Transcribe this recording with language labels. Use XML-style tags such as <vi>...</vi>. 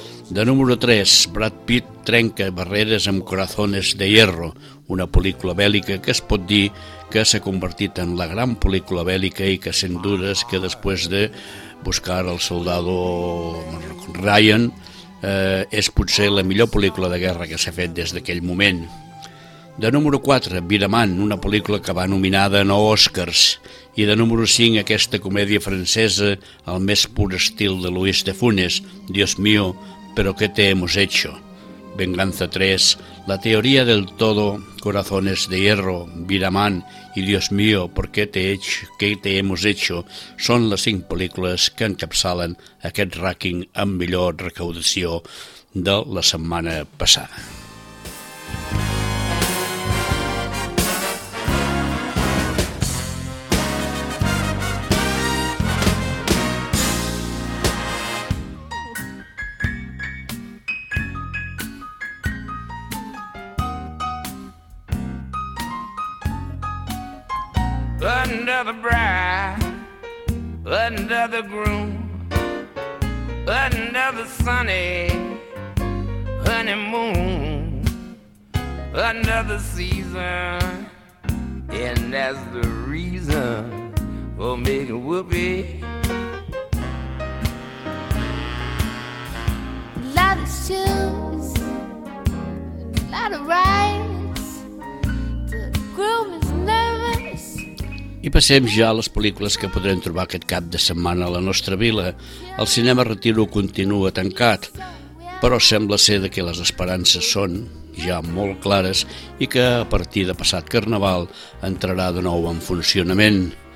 <ca>De número 3, Brad Pitt trenca barreres amb Corazones de Hierro, una pel·lícula bèl·lica que es pot dir que s'ha convertit en la gran pel·lícula bèl·lica i que, sent dures, que després de buscar el soldado Ryan, és potser la millor pel·lícula de guerra que s'ha fet des d'aquell moment. De número 4, Viraman, una pel·lícula que va nominada a 9 Oscars. I de número 5, aquesta comèdia francesa, el més pur estil de Luis de Funes, Dios mío, però què te hemos hecho? Venganza 3, La teoria del todo, Corazones de Hierro, Viraman i Dios mío, ¿por qué te, hemos hecho? Són les cinc pel·lícules que encapçalen aquest rànquing amb millor recaudació de la setmana passada.</ca> <en>Under the bride, under the groom, under the sunny honeymoon, under the season, and that's the reason for making whoopee. A lot of shoes, a lot of rides, the groom is nervous.</en> <ca>I passem ja a les pel·lícules que podrem trobar aquest cap de setmana a la nostra vila. El cinema Retiro continua tancat, però sembla ser que les esperances són ja molt clares i que a partir de passat Carnaval entrarà de nou en funcionament.</ca>